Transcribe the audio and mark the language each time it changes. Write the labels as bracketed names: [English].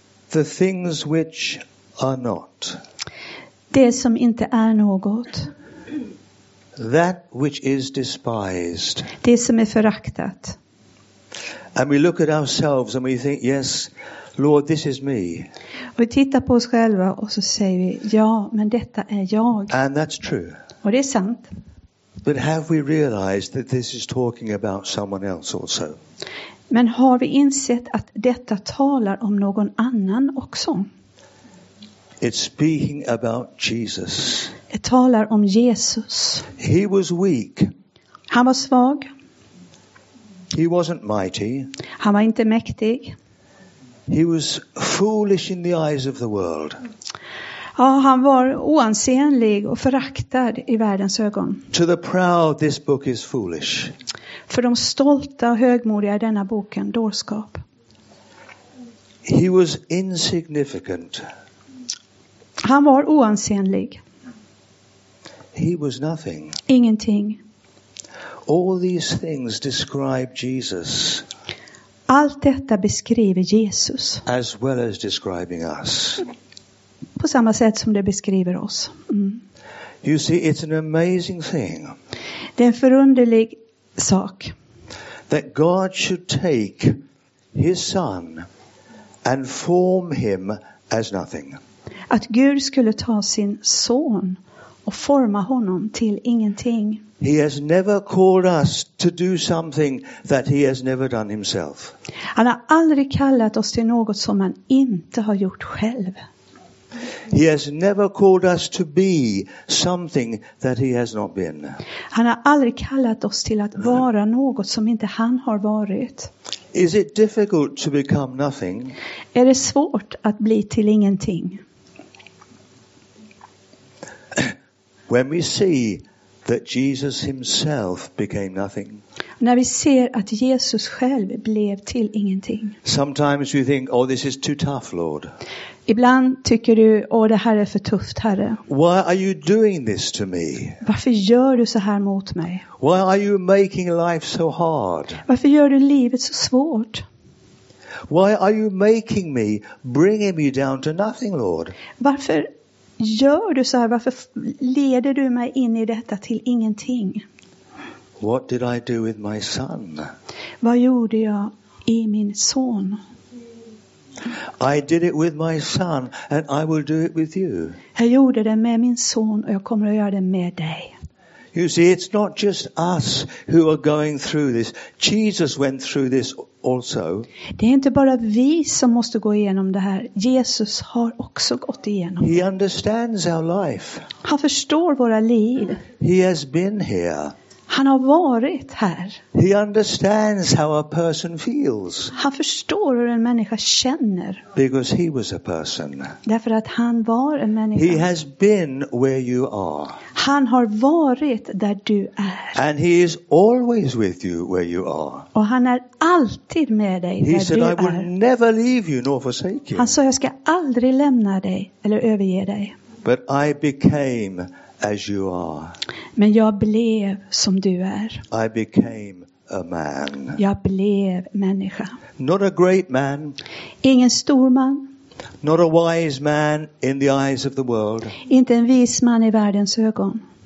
[English] The things which are not. [Swedish] Det som inte är något. [English] That which is despised. [Swedish] Det som är föraktat. [English] And we look at ourselves and we think, yes, Lord, this is me. [Swedish] Och vi tittar på oss själva och så säger vi, ja, men detta är jag. [English] And that's true. [Swedish] Och det är sant. [English] But have we realized that this is talking about someone else also? [Swedish] Men har vi insett att detta talar om någon annan också? [English] It's speaking about Jesus. [Swedish] Det talar om Jesus. [English] He was weak. [Swedish] Han var svag. [English] He wasn't mighty. [Swedish] Han var inte mäktig. [English] He was foolish in the eyes of the world. [Swedish] Ja, han var oansenlig och föraktad i världens ögon. [English] To the proud, this book is foolish. [Swedish] För de stolta och högmodiga i denna boken, dårskap. [English] He was insignificant. [Swedish] Han var oansenlig. [English] He was nothing. [Swedish] Ingenting. [English] All these things describe Jesus. [Swedish] Allt detta beskriver Jesus. [English] As well as describing us. [Swedish] På samma sätt som det beskriver oss. [English] You see, it's an amazing thing. [Swedish] Det är en förunderlig sak. [English] That God should take his son and form him as nothing. [Swedish] Att Gud skulle ta sin son och forma honom till ingenting. [English] He has never called us to do something that he has never done himself. [Swedish] Han har aldrig kallat oss till något som han inte har gjort själv. [English] He has never called us to be something that he has not been. [Swedish] Han har aldrig kallat oss till att vara något som inte han har varit. [English] Is it difficult to become nothing? [Swedish] Är det svårt att bli till ingenting? [English] When we see that Jesus himself became nothing. [Swedish] När vi ser att Jesus själv blev till ingenting. [English] Sometimes we think, oh, this is too tough, Lord. [Swedish] Ibland tycker du, åh, det här är för tufft, Herre. [English] Why are you doing this to me? [Swedish] Varför gör du så här mot mig? [English] Why are you making life so hard? [Swedish] Varför gör du livet så svårt? [English] Why are you making me, bringing me down to nothing, Lord? [Swedish] Varför gör du så här? Varför leder du mig in i detta till ingenting? [English] What did I do with my son? [Swedish] Vad gjorde jag i min son? [English] I did it with my son and I will do it with you. [Swedish] Jag gjorde det med min son och jag kommer att göra det med dig. [English] You see, it's not just us who are going through this. Jesus went through this also. [Swedish] Det är inte bara vi som måste gå igenom det här. Jesus har också gått igenom. [English] He understands our life. [Swedish] Han förstår våra liv. [English] He has been here. [Swedish] Han har varit här. [English] He understands how a person feels. [Swedish] Han förstår hur en människa känner. [English] Because he was a person. [Swedish] Därför att han var en människa. [English] He has been where you are. [Swedish] Han har varit där du är. [English] And he is always with you where you are. [Swedish] Och han är alltid med dig [English] he [Swedish] där [English] said, [Swedish] du är. [English] He said, I will never leave you nor forsake you. [Swedish] Han sa, jag ska aldrig lämna dig eller överge dig. [English] But I became as you are. [Swedish] Men jag blev som du är. [English] I became a man. [Swedish] Jag blev människa. [English] Not a great man. [Swedish] Ingen stor man. [English] Not a wise man in the eyes of the world. [Swedish] Inte en vis man i världens ögon.